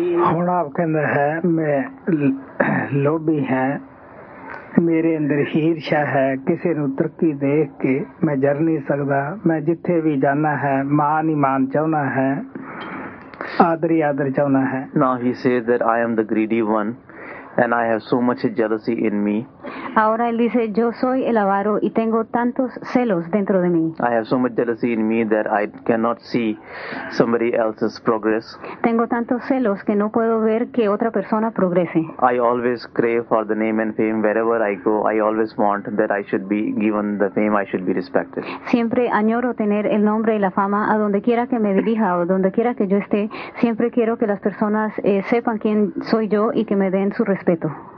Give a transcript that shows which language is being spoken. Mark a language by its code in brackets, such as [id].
[pa] ਹੁਣ ਆਪ ਕਹਿੰਦਾ ਹੈ ਮੈਂ ਲੋਭੀ ਹਾਂ ਮੇਰੇ ਅੰਦਰ ਹੀਰਸ਼ਾ ਹੈ ਕਿਸੇ ਨੂੰ ਤਰੱਕੀ ਦੇਖ ਕੇ ਮੈਂ ਜਰ ਨਹੀਂ ਸਕਦਾ ਮੈਂ ਜਿੱਥੇ ਵੀ ਜਾਣਾ ਹੈ ਮਾਨ ਹੀ ਮਾਨ ਚਾਹੁੰਦਾ ਹੈ ਆਦਰ ਹੀ ਆਦਰ ਚਾਹੁੰਦਾ ਹੈ [en] ਨਾ he say that I am the greedy one and I have so much jealousy in me [es] Ahora él dice, yo soy el avaro y tengo tantos celos dentro de mí. [en] I have so much jealousy in me that I cannot see somebody else's progress. [es] Tengo tantos celos que no puedo ver que otra persona progrese. [en] I always crave for the name and fame wherever I go. I always want that I should be given the fame, I should be respected. [es] Siempre añoro tener el nombre y la fama a donde quiera que me dirija o donde quiera que yo esté. Siempre quiero que las personas sepan quién soy yo y que me den su respeto.